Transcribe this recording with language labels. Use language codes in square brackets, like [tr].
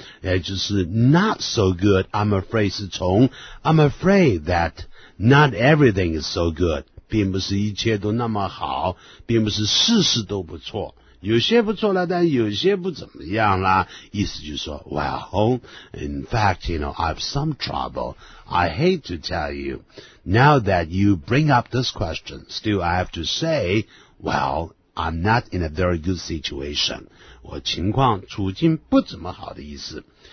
[zh] 也就是 [en] Not so good, I'm afraid [zh] 是从 [en] I'm afraid that not everything is so good. [zh] 并不是一切都那么好并不是事事都不错。有些不错了但有些不怎么样啦。意思就是说 [en] Well, in fact, you know, I have some trouble. I hate to tell you. Now that you bring up this question, still I have to say, well, I'm not in a very good situation. [zh] 我情况处境不怎么好的意思。